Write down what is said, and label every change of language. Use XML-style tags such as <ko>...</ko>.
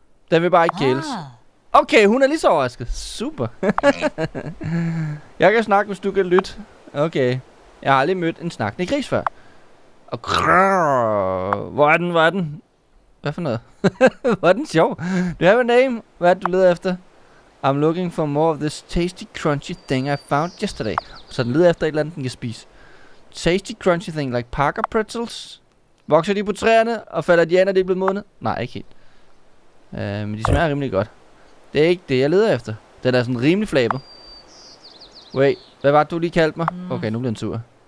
<da>Den vil bare ikke gældes. Okay, hun er lige så overrasket. Super. Jeg kan snakke, hvis du kan lytte. Okay. Jeg har aldrig mødt en snakkende gris før. Og krrrr. Hvor er den? Hvor er den? Hvad for noget? Hvor er den sjov?</da> <en>Do you have a name?</en> <da>Hvad er det, du leder efter?</da> <en>I'm looking for more of this tasty crunchy thing I found yesterday.</en> <da>Så den leder efter et eller andet, den kan spise.</da> <en>Tasty crunchy thing like Parker pretzels.</en> <da>Vokser de på træerne og falder de af, når de er blevet modne? Nej, ikke helt. Men de smager rimelig godt. Det er ikke det, jeg leder efter. Den er sådan rimelig flabet. Wait, hvad var det, du lige kaldte mig? Mm. Okay, nu bliver den sur.</da>